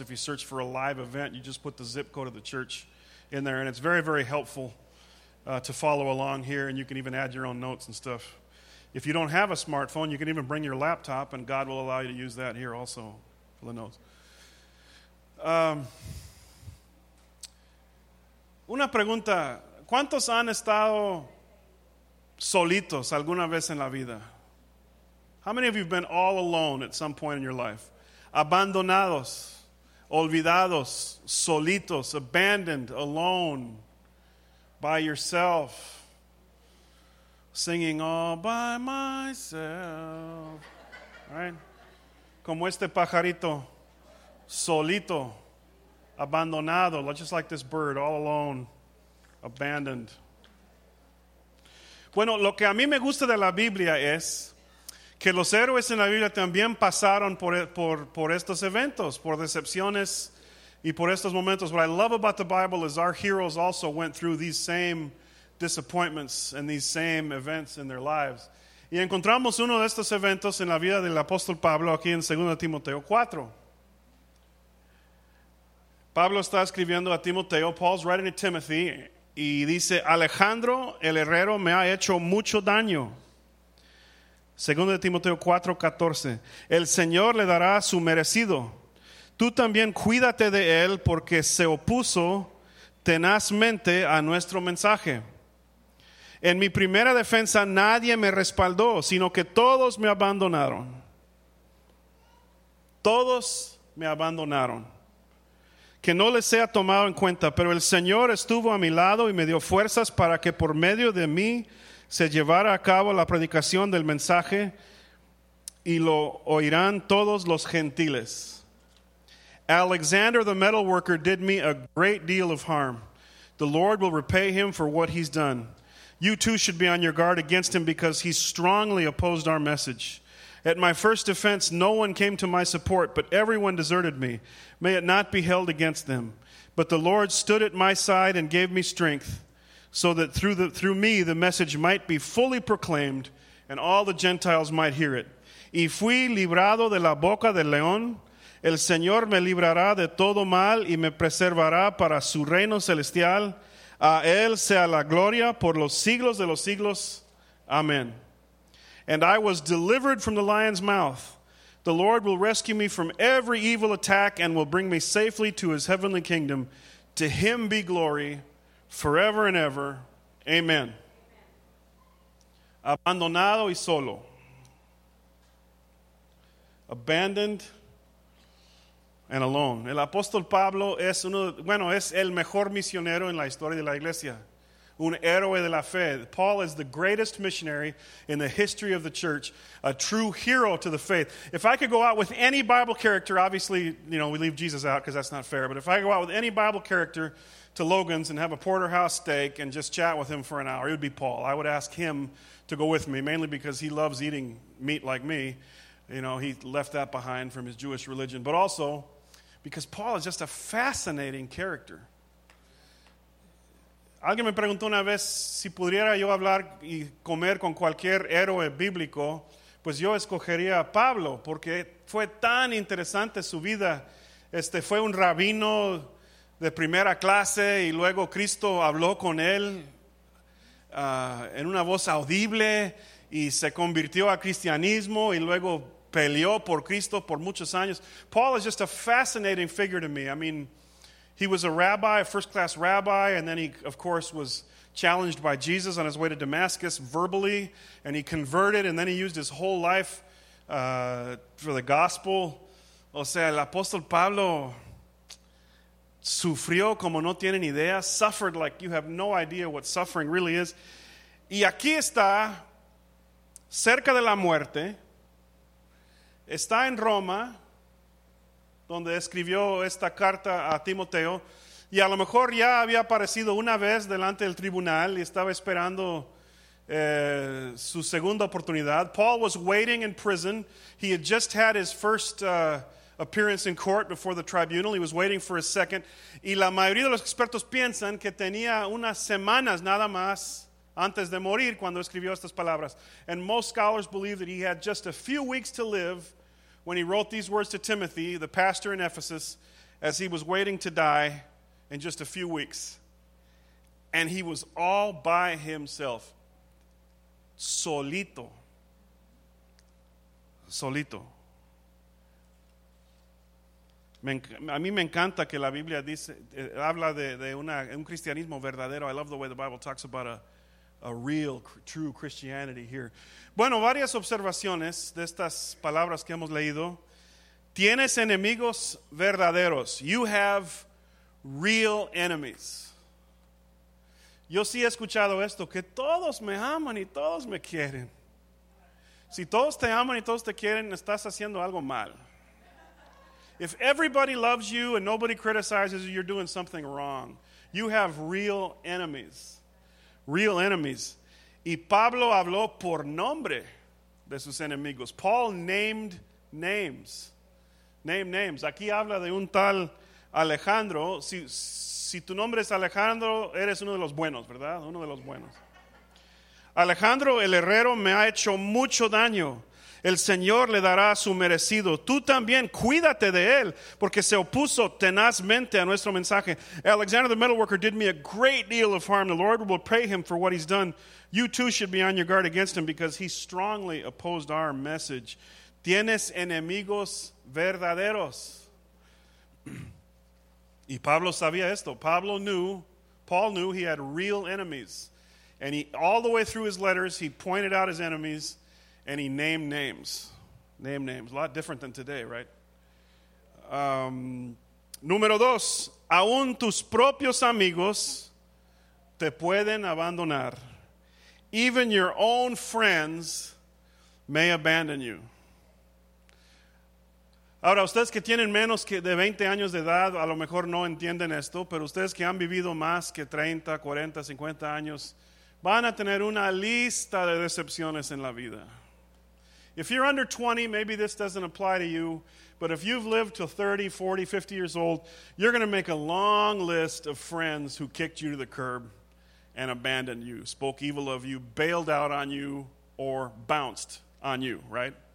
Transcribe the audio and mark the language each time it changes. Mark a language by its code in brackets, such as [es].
[en] If you search for a live event, you just put the zip code of the church in there, and it's very, very helpful to follow along here, and you can even add your own notes and stuff. If you don't have a smartphone, you can even bring your laptop and God will allow you to use that here also for the notes. [es] Una pregunta, ¿cuántos han estado solitos alguna vez en la vida? [en] How many of you have been all alone at some point in your life? [es] Abandonados, olvidados, solitos, [en] abandoned, alone, by yourself, singing all by myself, right? [es] Como este pajarito, solito, abandonado, [en] just like this bird, all alone, abandoned. [es] Bueno, lo que a mí me gusta de la Biblia es que los héroes en la Biblia también pasaron por estos eventos, por decepciones y por estos momentos. [en] What I love about the Bible is our heroes also went through these same disappointments and these same events in their lives. [es] Y encontramos uno de estos eventos en la vida del apóstol Pablo aquí en 2 Timoteo 4. Pablo está escribiendo a Timoteo. [en] Paul's writing to Timothy. [es] Y dice, Alejandro el Herrero me ha hecho mucho daño. 2 Timoteo 4:14. El Señor le dará su merecido. Tú también cuídate de él porque se opuso tenazmente a nuestro mensaje. En mi primera defensa nadie me respaldó, sino que todos me abandonaron. Todos me abandonaron. Que no les sea tomado en cuenta, pero el Señor estuvo a mi lado y me dio fuerzas para que por medio de mí se llevara a cabo la predicación del mensaje y lo oirán todos los gentiles. [en] Alexander the metalworker did me a great deal of harm. The Lord will repay him for what he's done. You too should be on your guard against him because he strongly opposed our message. At my first defense, no one came to my support, but everyone deserted me. May it not be held against them. But the Lord stood at my side and gave me strength, so that through me the message might be fully proclaimed and all the Gentiles might hear it. [es] Y fui librado de la boca del león. El Señor me librará de todo mal y me preservará para su reino celestial. A él sea la gloria por los siglos de los siglos. Amen. [en] And I was delivered from the lion's mouth. The Lord will rescue me from every evil attack and will bring me safely to his heavenly kingdom. To him be glory forever and ever. Amen. [es] Abandonado y solo. [en] Abandoned and alone. [es] El apóstol Pablo es uno, bueno, es el mejor misionero en la historia de la iglesia. Un héroe de la fe. [en] Paul is the greatest missionary in the history of the church, a true hero to the faith. If I could go out with any Bible character, obviously, you know, we leave Jesus out because that's not fair, but if I go out with any Bible character to Logan's and have a porterhouse steak and just chat with him for an hour, it would be Paul. I would ask him to go with me, mainly because he loves eating meat like me. You know, he left that behind from his Jewish religion, but also because Paul is just a fascinating character. [es] Alguien me preguntó una vez si pudiera yo hablar y comer con cualquier héroe bíblico, pues yo escogería a Pablo, porque fue tan interesante su vida. Fue un rabino de primera clase y luego Cristo habló con él en una voz audible y se convirtió a cristianismo y luego peleó por Cristo por muchos años. [en] Paul is just a fascinating figure to me. I mean, he was a rabbi, a first-class rabbi, and then he, of course, was challenged by Jesus on his way to Damascus verbally, and he converted, and then he used his whole life for the gospel. [es] O sea, el apóstol Pablo sufrió como no tienen idea, [en] suffered like you have no idea what suffering really is. [es] Y aquí está, cerca de la muerte, está en Roma, donde escribió esta carta a Timoteo, y a lo mejor ya había aparecido una vez delante del tribunal y estaba esperando su segunda oportunidad. [en] Paul was waiting in prison. He had just had his first appearance in court before the tribunal. He was waiting for his second. [es] Y la mayoría de los expertos piensan que tenía unas semanas nada más antes de morir cuando escribió estas palabras. [en] And most scholars believe that he had just a few weeks to live when he wrote these words to Timothy, the pastor in Ephesus, as he was waiting to die in just a few weeks. And he was all by himself. Solito. [es] Solito. A mí me encanta que la Biblia dice, habla de un cristianismo verdadero. [en] I love the way the Bible talks about a real, true Christianity here. [es] Bueno, varias observaciones de estas palabras que hemos leído. Tienes enemigos verdaderos. [en] You have real enemies. [es] Yo sí he escuchado esto, que todos me aman y todos me quieren. Si todos te aman y todos te quieren, estás haciendo algo mal. [en] If everybody loves you and nobody criticizes you, you're doing something wrong. You have real enemies. Real enemies. [es] Y Pablo habló por nombre de sus enemigos. [en] Paul named names. Named names. [es] Aquí habla de un tal Alejandro. Si tu nombre es Alejandro, eres uno de los buenos, ¿verdad? Uno de los buenos. Alejandro el Herrero me ha hecho mucho daño. El Señor le dará su merecido. Tú también cuídate de él, porque se opuso tenazmente a nuestro mensaje. [en] Alexander the metalworker did me a great deal of harm. The Lord will pay him for what he's done. You too should be on your guard against him, because he strongly opposed our message. [es] Tienes enemigos verdaderos. Y Pablo sabía esto. [en] Paul knew he had real enemies. And he, all the way through his letters, he pointed out his enemies and he named names. Named names. A lot different than today, right? [es] Número dos. Aún tus propios amigos te pueden abandonar. [en] Even your own friends may abandon you. [es] Ahora, ustedes que tienen menos de 20 años de edad, a lo mejor no entienden esto, pero ustedes que han vivido más que 30, 40, 50 años, van a tener una lista de decepciones en la vida. [en] If you're under 20, maybe this doesn't apply to you, but if you've lived to 30, 40, 50 years old, you're going to make a long list of friends who kicked you to the curb and abandoned you, spoke evil of you, bailed out on you, or bounced on you, right?